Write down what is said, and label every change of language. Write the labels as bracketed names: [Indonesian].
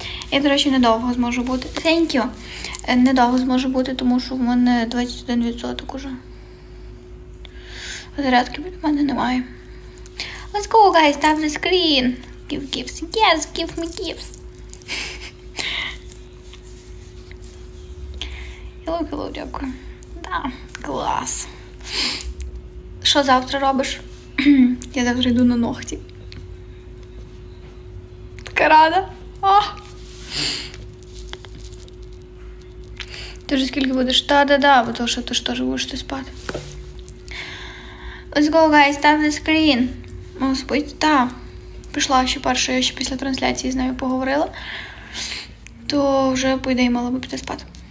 [Ukrainian] Я, до речі, недовго зможу бути. [English] Thank you. [Ukrainian] Недовго зможу бути, тому що в мене 21% уже. Зарядки в мене немає. [English] Let's go, guys, tap the screen. Give gifts. Yes, give me gifts. Hello, hello, [Ukrainian] дякую. Да. Клас. Що завтра робиш? Я завтра йду на ногті. Така рада. О! Ти вже скільки будеш? Та-да-да, бо то що ти ж теж будеш ти спати. [English] Let's go, guys, tap the screen. [Ukrainian] О, спить? Та. Пішла ще перша, я ще після трансляції з нею поговорила. То вже піде і мала би піти спати.